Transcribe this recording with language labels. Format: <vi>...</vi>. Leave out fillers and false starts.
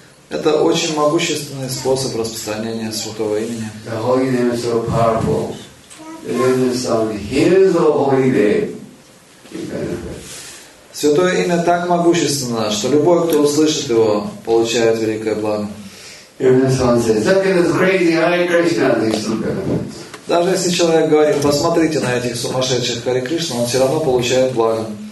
<ru>Это очень могущественный способ распространения Святого Имени.</ru> <en>The Holy Name is so powerful. Even if someone hears the Holy Name, it benefits.</en> <ru>Святое Имя так могущественно, что любой, кто услышит его, получает великое благо.</ru> <en>Even if someone says, look at this crazy Hare Krishna, it still benefits.</en> <ru>Даже если человек говорит, посмотрите на этих сумасшедших Хари Кришна, он все равно получает благо.</ru>